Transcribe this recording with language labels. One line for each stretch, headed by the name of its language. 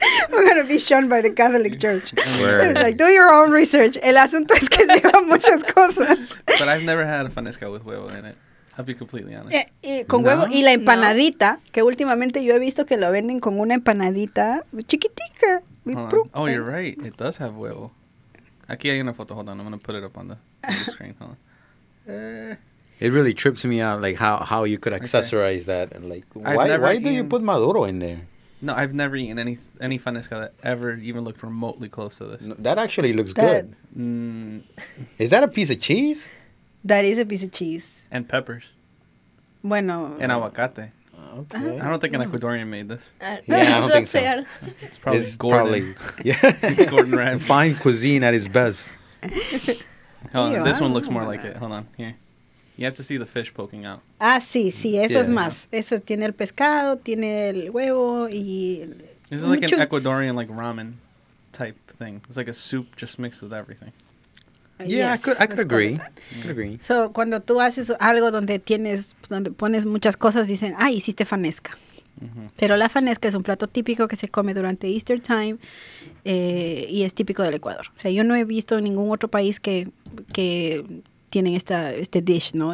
English: We're going to be shunned by the Catholic Church. It's like, do your own research.
Spanish: El asunto es que lleva muchas cosas.
English: But I've never had a fanesca with huevo in it. I'll be completely honest.
Spanish: Con huevo y la empanadita, que últimamente yo he visto que lo venden con una empanadita chiquitica.
English: Oh, you're right. It does have huevo.
Spanish: Aquí hay una foto.
English: Hold on. I'm going to put it up on the screen. Hold on. It really trips me out, like, how you could accessorize that. And like, why do you put maduro in there? No, I've never eaten any fanesca that ever even looked remotely close to this. No, that actually looks good. Is that a piece of cheese? That is a piece of cheese. And peppers.
Spanish: Bueno.
English: And aguacate. Okay. I don't think an Ecuadorian made this. Yeah, I don't think so. It's probably Gordon. Probably, yeah. Gordon Ramsay. Fine cuisine at its best. Hold on, this one looks more like it. Hold on, here. You have to see the fish poking out.
Spanish: Ah, sí, sí, eso yeah, es más. Yeah. Eso tiene el pescado, tiene el huevo y...
English: This is like an Ecuadorian, like, ramen type thing. It's like a soup just mixed with everything. Yeah, yes, I could agree. Agree.
Spanish: So, cuando tú haces algo donde pones muchas cosas, dicen, ah, hiciste fanesca. Mm-hmm. Pero la fanesca es un plato típico que se come durante
English: Easter time
Spanish: y es típico del Ecuador. O sea, yo no he visto ningún otro país que tienen este dish, ¿no?